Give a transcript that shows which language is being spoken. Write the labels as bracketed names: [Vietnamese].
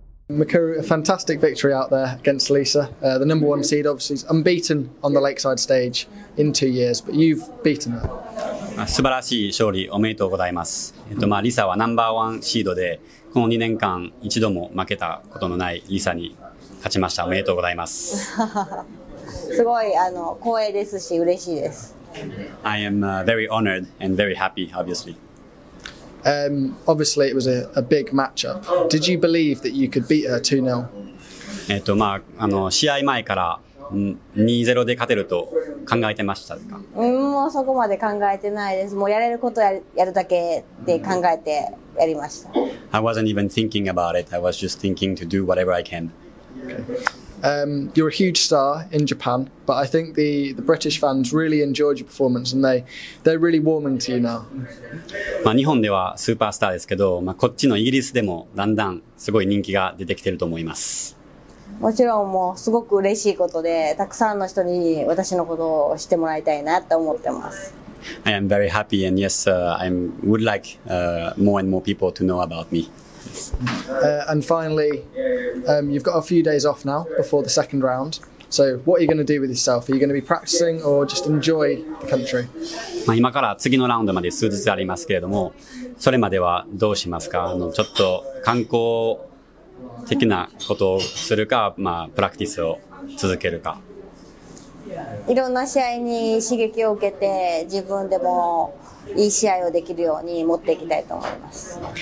[English] Mikuru, a fantastic victory out there against Lisa. The number one seed, obviously, is unbeaten on the Lakeside stage in 2 years, but you've beaten her. [Japanese] 素晴らしい勝利おめでとうございます。まあ、リサはナンバーワンシードで、この2年間一度も負けたことのないリサに勝ちました。おめでとうございます。すごい光栄ですし、嬉しいです。 [English] I am very honored and very happy, obviously. Obviously, it was a big matchup. Did you believe that you could beat her 2-0? [Japanese] まあ、試合前から2-0で勝てると考えてましたか？もうそこまで考えてないです。もうやれることをやるだけで考えてやりました。 [English] I wasn't even thinking about it. I was just thinking to do whatever I can. You're a huge star in Japan, but I think the British fans really enjoyed your performance and they're really warming to you now. [Japanese] まあ日本ではスーパースターですけど、まあこっちのイギリスでもだんだんすごい人気が出てきてると思います。もちろんもうすごく嬉しいことで、たくさんの人に私のことを知ってもらいたいなと思ってます。 [English] I am very happy and yes, I would like more and more people to know about me. And finally, you've got a few days off now before the second round. So what are you going to do with yourself? Are you going to be practicing or just enjoy the country? [Japanese] まあ今から次のラウンドまで数日ありますけれども、それまではどうしますか？ちょっと観光的なことをするか、まあ、プラクティスを続けるか。いろんな試合に刺激を受けて、自分でもいい試合をできるように持っていきたいと思います。